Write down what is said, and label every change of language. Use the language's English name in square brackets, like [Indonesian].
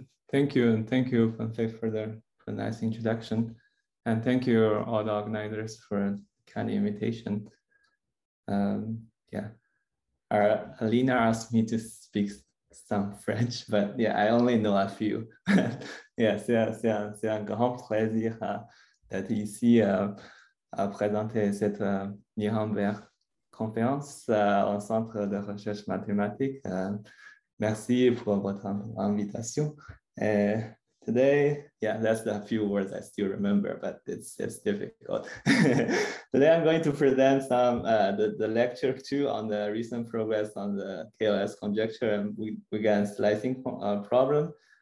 [English] Thank you, and thank you, Fanfei, for a nice introduction. And thank you, all the organizers, for a kind invitation. Alina asked me to speak some French, but yeah, I only know a few. [French] c'est un grand plaisir d'être ici à présenter cette Nuremberg conférence au Centre de Recherche Mathématique. Merci pour votre invitation. [English] Today, yeah, that's the few words I still remember, but it's difficult. Today, I'm going to present some the lecture two on the recent progress on the KLS conjecture and Bourgain slicing problem.